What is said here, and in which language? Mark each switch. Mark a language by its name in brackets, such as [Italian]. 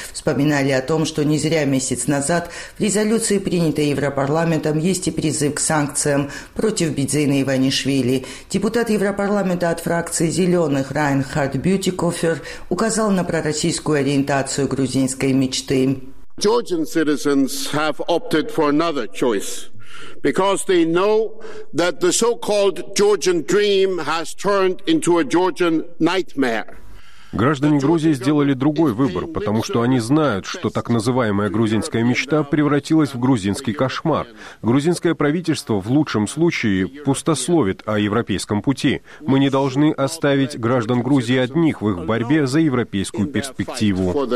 [Russian] Вспоминали о том, что не зря месяц назад в резолюции, принятой Европарламентом, есть и призыв к санкциям против Бедзины Иванишвили. Депутат Европарламента от фракции «Зеленых» Райнхард Бютикофер указал на пророссийскую ориентацию грузинской мечты. [English] Georgian citizens have opted for another choice because they know that the so-called Georgian dream has turned into a Georgian nightmare. [Russian] Граждане Грузии сделали другой выбор, потому что они знают, что так называемая грузинская мечта превратилась в грузинский кошмар. Грузинское правительство в лучшем случае пустословит о европейском пути. Мы не должны оставить граждан Грузии одних в их борьбе за европейскую перспективу.